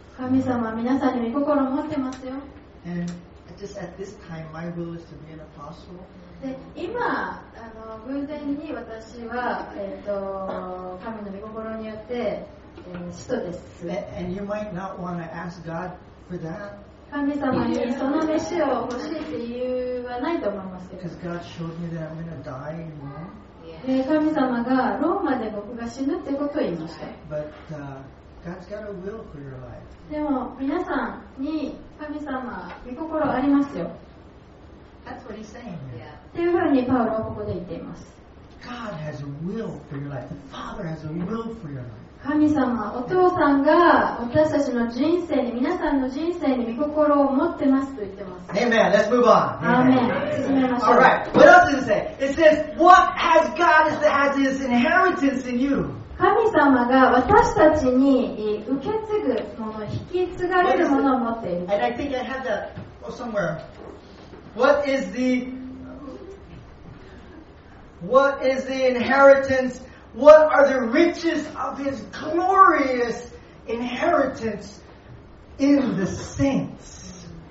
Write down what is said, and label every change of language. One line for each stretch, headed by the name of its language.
Japanese: 神様は皆さんに御心を持ってますよ。
English: Just at this time, my will is to be an apostle.
Japanese: で、今偶然に私は神の御心によって使徒です。
English: And you might not want to ask God for that.
Japanese: 神様にその召しを欲しいって理由はないと思いますけど。
English: Because God showed me that I'm going to die in Rome.
Japanese: で、神様がローマで僕が死ぬってことを言いました。
English: But God's got a will for your life.
Japanese: でも皆さんに神様御心ありますよ。
English: That's what he's saying.
Japanese: っていうふうにパウロはここで言っています。
English: God has a will for your life. The Father has a will for your life.
Japanese: 神様、お父さんが私たちの人生に、皆さんの人生に御心を持ってますと言ってます。
English: Amen. Let's move on.
Japanese: Amen. 進めましょう。
English: All right. What else does it say? It says, "What has God has His inheritance in you?"
Japanese: 神様が私たちに受け継ぐもの、引き継がれるものを持っている。
English: And I think I have that somewhere. What is the What is the inheritance? What are the riches of His glorious inheritance in the saints?